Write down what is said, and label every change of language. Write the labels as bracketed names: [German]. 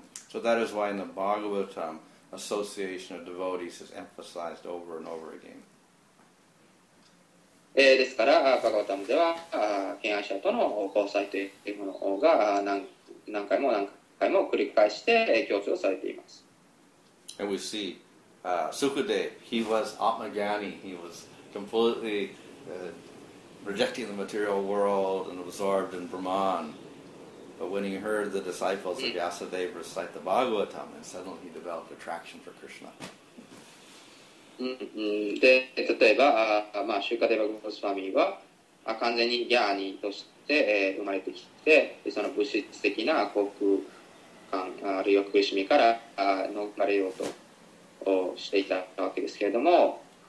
[English] So that is why in the Bhagavatam, association of devotees is emphasized over and over again. [Japanese] ですから、バガヴァタムでは、偏愛者との交際というものが何回も何回も繰り返して強調されています。 [English] And we see, Sukadev, he was Atmagyani, he was completely rejecting the material world and absorbed in Brahman. But when he heard the disciples of Vyasadeva recite the Bhagavatam, then suddenly he developed attraction for Krishna. [Japanese] で例えば、まあ、シューカデバ・ゴスワミは、完全にギャーニーとして、生まれてきて、その物質的な幸福感、あるいは苦しみから逃れようとしていたわけですけれども、